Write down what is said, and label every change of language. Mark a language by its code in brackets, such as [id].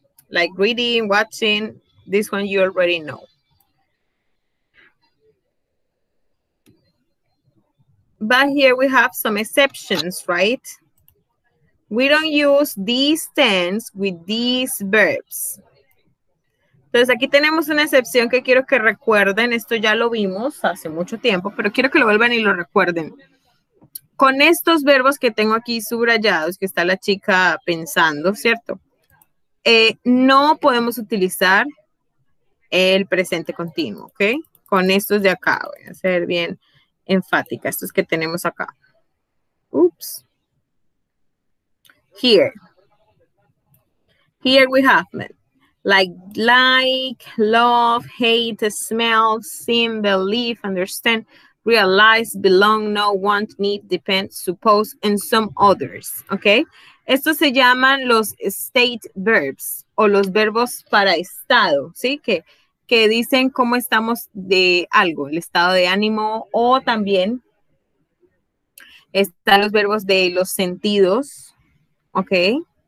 [en] Like reading, watching, this one you already know. But here we have some exceptions, right? We don't use these tenses with these verbs. [es] Entonces, aquí tenemos una excepción que quiero que recuerden. Esto ya lo vimos hace mucho tiempo, pero quiero que lo vuelvan y lo recuerden. Con estos verbos que tengo aquí subrayados, que está la chica pensando, ¿cierto? No podemos utilizar el presente continuo, ¿ok? Con estos de acá, voy a ser bien enfática, estos que tenemos acá. Oops. [en] Here we have them. Like, love, hate, smell, seem, believe, understand, realize, belong, know, want, need, depend, suppose, and some others, okay? [es] Estos se llaman los state verbs o los verbos para estado, ¿sí? Que dicen cómo estamos de algo, el estado de ánimo, o también están los verbos de los sentidos, okay?